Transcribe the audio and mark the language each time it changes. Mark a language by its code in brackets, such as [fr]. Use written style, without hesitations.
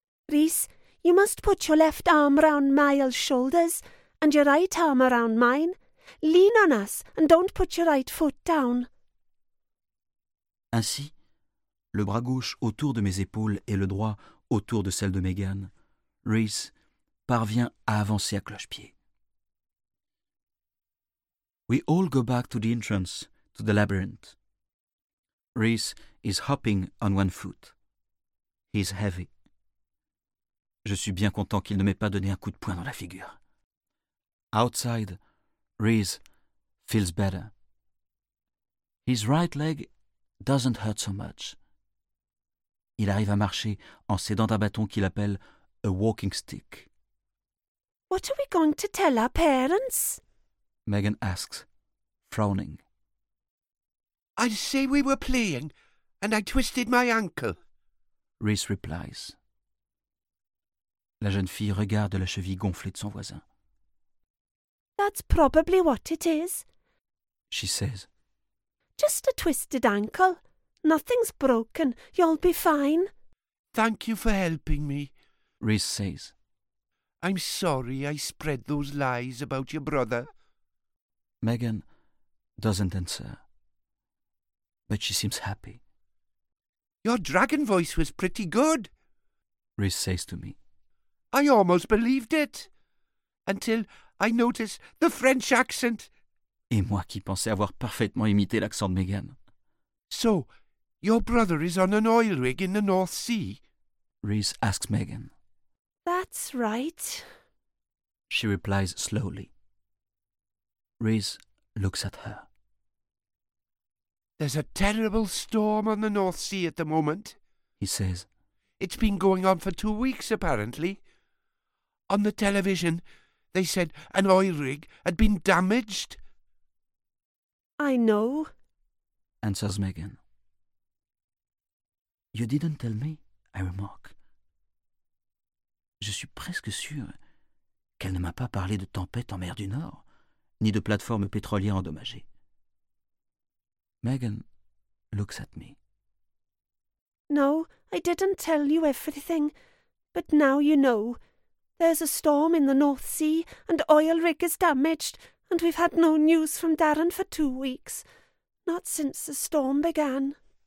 [en] Reese, you must put your left arm round Mael's shoulders and your right arm around mine. Lean on us and don't put your right foot down. [fr] Ainsi, le bras gauche autour de mes épaules et le droit autour de celle de Megan, Reese parvient à avancer à cloche-pied. [en] We all go back to the entrance to the labyrinth. Reese is hopping on one foot. He's heavy. [fr] Je suis bien content qu'il ne m'ait pas donné un coup de poing dans la figure. [en] Outside, Reese feels better. His right leg doesn't hurt so much. [fr] Il arrive à marcher en s'aidant d'un bâton qu'il appelle a walking stick. [en] What are we going to tell our parents? Megan asks, frowning. I'd say we were playing and I twisted my ankle. Reese replies. [fr] La jeune fille regarde la cheville gonflée de son voisin. [en] That's probably what it is. She says. Just a twisted ankle. Nothing's broken. You'll be fine. Thank you for helping me. Reese says. I'm sorry I spread those lies about your brother. Megan doesn't answer. But she seems happy. Your dragon voice was pretty good. Reese says to me. I almost believed it. Until I noticed the French accent. [fr] Et moi qui pensais avoir parfaitement imité l'accent de Megan. [en] So, your brother is on an oil rig in the North Sea. Reese asks Megan. That's right. She replies slowly. Reese looks at her. There's a terrible storm on the North Sea at the moment, he says. It's been going on for 2 weeks, apparently. On the television, they said an oil rig had been damaged. I know, answers Megan. You didn't tell me, I remark. [fr] Je suis presque sûr qu'elle ne m'a pas parlé de tempête en mer du Nord, ni de plateforme pétrolière endommagée. [en] Megan looks at me. No, I didn't tell you everything, but now you know. There's a storm in the North Sea and oil rig is damaged and we've had no news from Darren for 2 weeks. Not since the storm began.